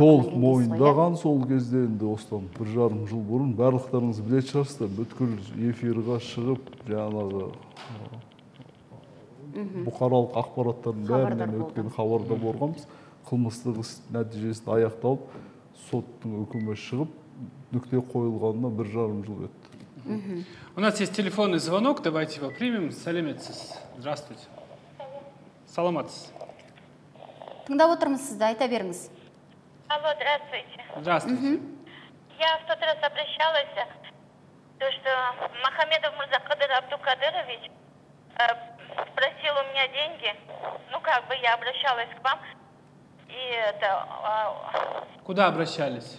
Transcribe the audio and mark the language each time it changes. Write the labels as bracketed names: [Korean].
[Kazakh] Толық мойындаған сол кезде, енді осыдан 1.5 жыл бұрын, барлықтарыңыз білетін шығарсыздар, бүткіл эфирге шығып, жаңағы бұқаралық ақпараттардың бәрінен өткен хабарда болғанбыз, қылмыстық іс нәтижесін аяқталып, соттың үкімі шығып, нүкте қойылғанына 1.5 жыл өтті. [Russian] У нас есть телефонный звонок, давайте его примем. [Kazakh] Сәлеметсіз, [Russian] здравствуйте. [Kazakh] Саламатсыз. Тыңдап отырмыз сізді, айта беріңіз. [Russian] Алло, здравствуйте. Здравствуйте. Я в тот раз обращалась, то что Махамедов Мурза Кадыр Абдукадырович просил у меня деньги. Ну как бы я обращалась к вам. И это... Куда обращались?